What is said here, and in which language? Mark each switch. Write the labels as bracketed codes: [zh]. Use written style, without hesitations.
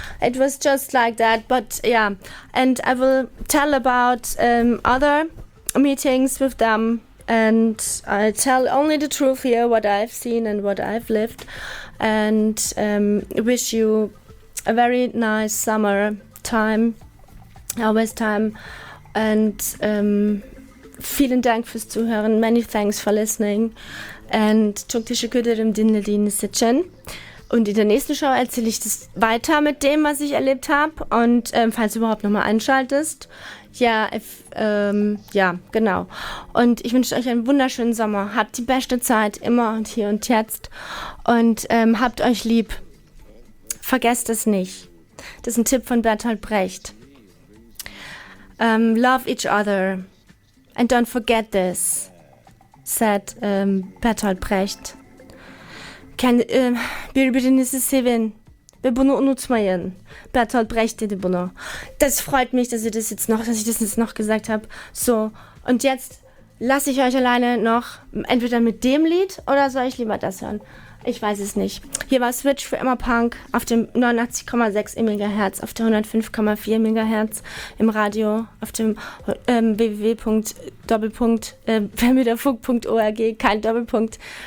[en] It was just like that, but yeah, and I will tell about other meetings with them, and I tell only the truth here, what I've seen and what I've lived, and wish you a very nice summer time, always time, and [de] vielen Dank fürs Zuhören, [en] many thanks for listening. Und Chuktische Küderim Dinledin Sitchen. [de] Und in der nächsten Show erzähle ich das weiter mit dem, was ich erlebt habe. Und falls du überhaupt nochmal einschaltest. Ja, ja, genau. Und ich wünsche euch einen wunderschönen Sommer. Habt die beste Zeit, immer und hier und jetzt. Und habt euch lieb. Vergesst es nicht. Das ist ein Tipp von Bertolt Brecht. [en] Love each other. And don't forget this. Said Bertolt Brecht. [tr] Kan birbirinizi sevin ve bunu unutmayın. Bertolt Brecht dedi bunu. [de] Das freut mich, dass ich das jetzt noch gesagt habe. So, und jetzt lasse ich euch alleine noch entweder mit dem Lied oder soll ich lieber das hören? Ich weiß es nicht. Hier war Switch für immer Punk auf dem 89,6 MHz, auf der 105,4 MHz im Radio, auf dem www.vermüderfug.org, kein Doppelpunkt.